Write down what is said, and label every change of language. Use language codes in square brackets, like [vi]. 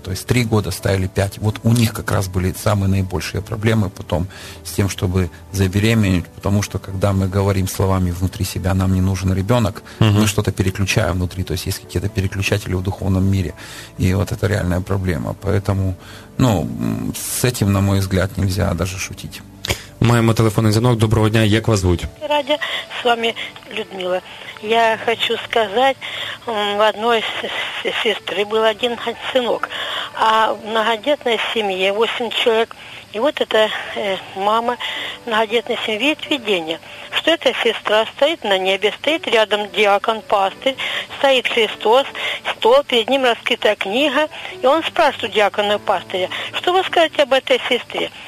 [ru] То есть 3 года, ставили 5. Вот у них как раз были самые наибольшие проблемы потом с тем, чтобы забеременеть. Потому что когда мы говорим словами внутри себя, нам не нужен ребенок, мы что-то переключаем внутри. То есть есть какие-то переключатели в духовном мире. И вот это реальная проблема. Поэтому, ну, с этим, на мой взгляд, нельзя даже шутить. [uk] Маємо телефонний дзвінок. Доброго дня, як вас звуть? Радя, з вами Людмила. [ru] Я хочу сказати, в одной сестры был один сынок, а в многодетной семье 8 человек. И вот эта мама многодетной семьи видит видение, что эта сестра стоит на небе, стоит рядом диакон, пастырь, стоит Христос, стол, перед ним раскрытая книга, и он спрашивает у диакона и пастыря, что вы скажете об этой сестре?